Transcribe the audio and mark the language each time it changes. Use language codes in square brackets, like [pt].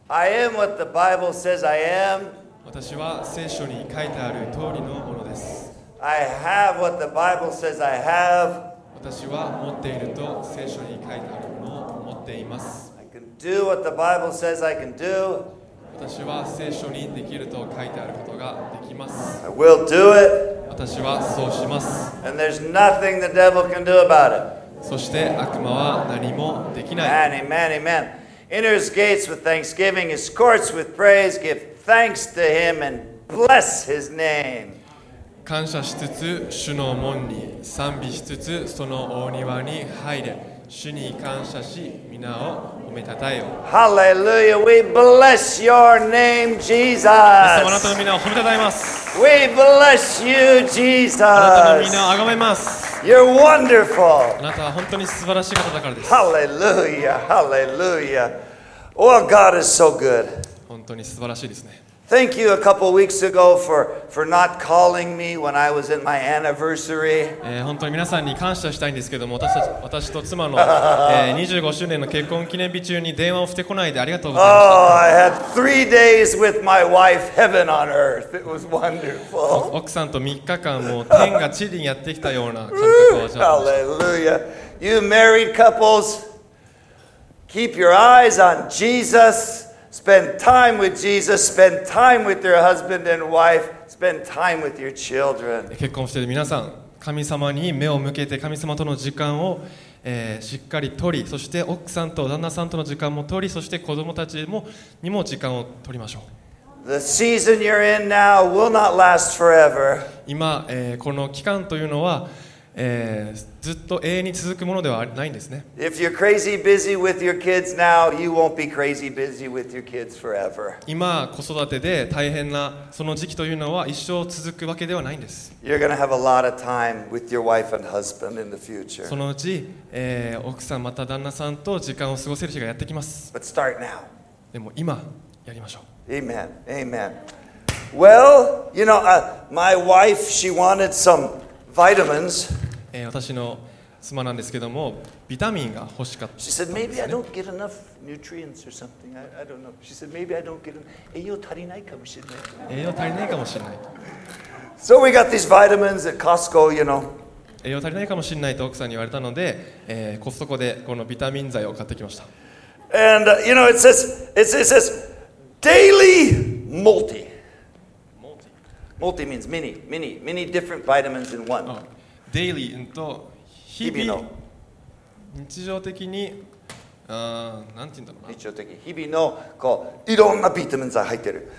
[en] I am what the Bible says I am. [ja] 私は聖書に書いてある通りのものです。 [en] I have what the Bible says I have. [ja] 私は持っていると聖書に書いてあるものを持っています。 [en] I can do what the Bible says I can do. [ja] 私は聖書にできると書いてあることができます。 [en] I will do it. [ja] 私はそうします。 [en] And there's nothing the devil can do about it. [ja] そして悪魔は何もできない。 [en] Amen, amen, amen. Enter his gates with thanksgiving, his courts with praise. Give thanks to him and bless his name. [ja] 感謝しつつ主の門に賛美しつつその大庭に入れ主に感謝し皆を褒めたたえよ [en] Hallelujah! We bless your name, Jesus. [ja] 皆様あなたの皆を褒めたたえます [en] We bless you, Jesus. [ja] あなたの皆をあがめます [en] You're wonderful. [ja] あなたは本当に素晴らしい方だからです。 [en] Hallelujah, Hallelujah. Oh, God is so good. [ja] 本当に素晴らしいですね。 [en] Thank you a couple weeks ago for not calling me when I was in my anniversary. [ja] 本当に皆さんに感謝したいんですけども、私と妻の25周年の結婚記念日中に電話をしてこないでありがとうございました。 [en] Oh, I had 3 days with my wife, heaven on earth. It was wonderful. [ja] 奥さんと3日間も天が地にやってきたような感覚を味わいました。 [en] Hallelujah. You married couples, keep your eyes on Jesus. Spend time with Jesus. Spend time with your husband and wife. Spend time with your children. [ja] 結婚している皆さん、神様に目を向けて神様との時間を、しっかり取り、そして奥さんと旦那さんとの時間も取り、そして子供たちもにも時間を取りましょう。 [en] The season you're in now will not last forever. [ja] 今、この期間というのは、ずっと永遠に続くものではないんですね。 [en] If you're crazy busy with your kids now, you won't be crazy busy with your kids forever. [ja] 今子育てで大変なその時期というのは一生続くわけではないんです。 [en] You're gonna have a lot of time with your wife and husband in the future. [ja] そのうち、奥さんまた旦那さんと時間を過ごせる日がやってきます。 [en] But start now. [ja] でも今やりましょう。 [en] Amen. Amen. Well, you know, my wife, she wanted some vitamins. [ja] 私の妻なんですけどもビタミンが欲しかったです、ね、 [en] She said maybe I don't get enough nutrients or something I don't know She said maybe I don't get enough [ja] 栄養足りないかもしれない栄養足りないかもしれない [en] So we got these vitamins at Costco, you know [ja] 栄養足りないかもしれないと奥さんに言われたので、コストコでこのビタミン剤を買ってきました [en] And、you know it says daily multi Multi means many different vitamins in one、oh. [ja] Daily と日々の日常的に何て言うんだろうな日常的に日々のこういろんなビタミン剤入ってる